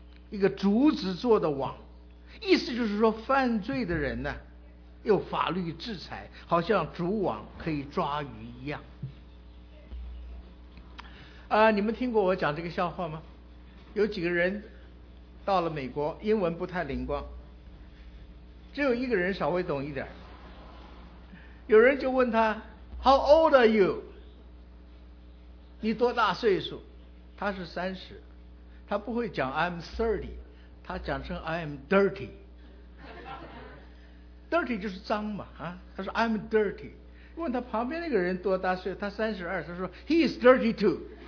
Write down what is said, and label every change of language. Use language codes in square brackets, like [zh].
[zh] 一个竹子做的网，意思就是说犯罪的人呢有法律制裁，好像竹网可以抓鱼一样。你们听过我讲这个笑话吗？有几个人到了美国，英文不太灵光，只有一个人稍微懂一点。有人就问他 [en] How old are you？ [zh] 你多大岁数？他是30。他不会讲 [en] I'm 30， [zh] 他讲成 [en] I'm dirty。 [zh] dirty 就是脏嘛啊，他说 [en] I'm dirty。 [zh] 问他旁边那个人多大岁，他32，他说 [en] He is 32。